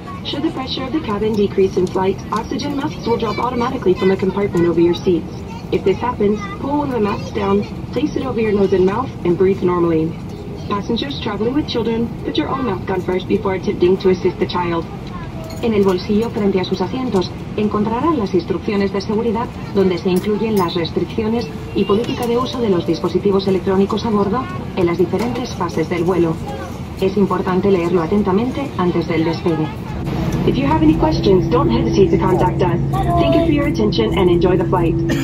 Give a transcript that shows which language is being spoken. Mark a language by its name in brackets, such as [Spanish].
[English] Should the pressure of the cabin decrease in flight, oxygen masks will drop automatically from the compartment over your seats. If this happens, pull one of the masks down, place it over your nose and mouth, and breathe normally. Passengers traveling with children, put your own mask on first before attempting to assist the child. [Spanish] En el bolsillo frente a sus asientos, encontrarán las instrucciones de seguridad donde se incluyen las restricciones y política de uso de los dispositivos electrónicos a bordo en las diferentes fases del vuelo. Es importante leerlo atentamente antes del despegue. [English] If you have any questions, don't hesitate to contact us. Thank you for your attention and enjoy the flight.